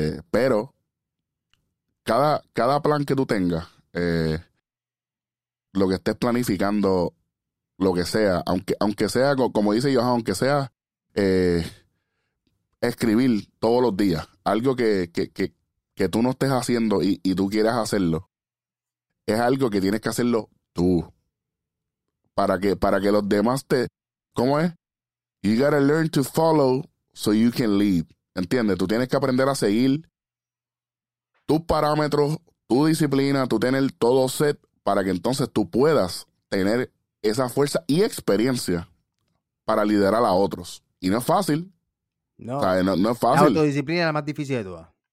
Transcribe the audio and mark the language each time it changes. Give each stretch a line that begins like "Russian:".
Spanish: Pero cada plan que tú tengas, lo que estés planificando, lo que sea, aunque sea, como dice Johan, aunque sea escribir todos los días algo que tú no estés haciendo y tú quieras hacerlo, es algo que tienes que hacerlo tú. Para que los demás te. ¿Cómo es?
English: You gotta learn to follow so you can lead.
Spanish: ¿Entiendes? Tú tienes que aprender a seguir tus parámetros, tu disciplina, tú tener todo set. Para que entonces tú puedas tener esa fuerza y experiencia para liderar a otros. Y no es fácil. No, ¿Sabes? No, no es la fácil. autodisciplina es la más difícil de todas.